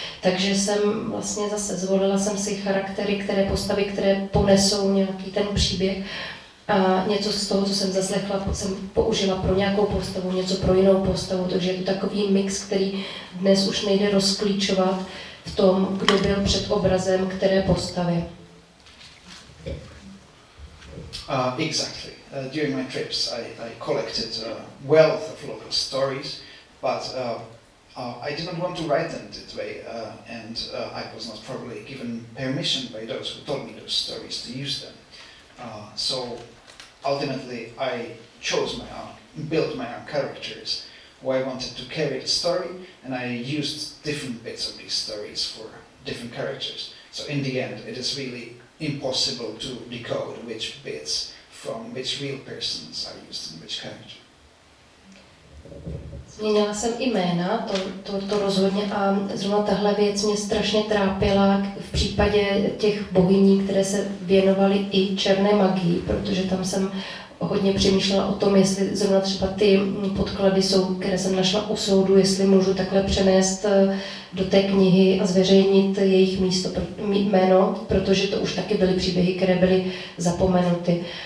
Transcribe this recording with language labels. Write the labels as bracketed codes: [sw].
[cs] Takže jsem vlastně zase zvolila jsem si charaktery, které postavy, které ponesou nějaký ten příběh. A něco z toho, co jsem zaslechla, jsem použila pro nějakou postavu, něco pro jinou postavu, takže je to takový mix, který dnes už nejde rozklíčovat v tom, kdo byl před obrazem které postavy. [en] Exactly. During my trips, I collected a wealth of local stories, but I didn't want to write them that way, and I was not properly given permission by those who told me those stories to use them. So ultimately, I chose my own, built my own characters, who I wanted to carry the story, and I used different bits of these stories for different characters. So in the end, it is really impossible to decode which bits from which real persons are used in which character. [cs] Změnila jsem i jména, to rozhodně, a zrovna tahle věc mě strašně trápila v případě těch bohyní, které se věnovaly i černé magii, protože tam jsem hodně přemýšlela o tom, jestli zrovna třeba ty podklady jsou, které jsem našla u soudu, jestli můžu takhle přenést do té knihy a zveřejnit jejich místo, jméno, protože to už taky byly příběhy, které byly zapomenuty.